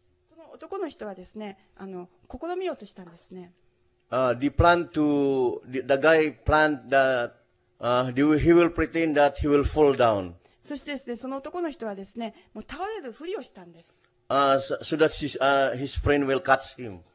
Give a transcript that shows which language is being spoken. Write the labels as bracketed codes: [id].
[ja] その男の人はですね、あの試みようとしたんですね。 [en] The plan to the guy planned that he will pretend that he will fall down. [ja] そしてですね、その男の人はですね、もう倒れるふりをしたんです。 [en] So that his friend will catch him.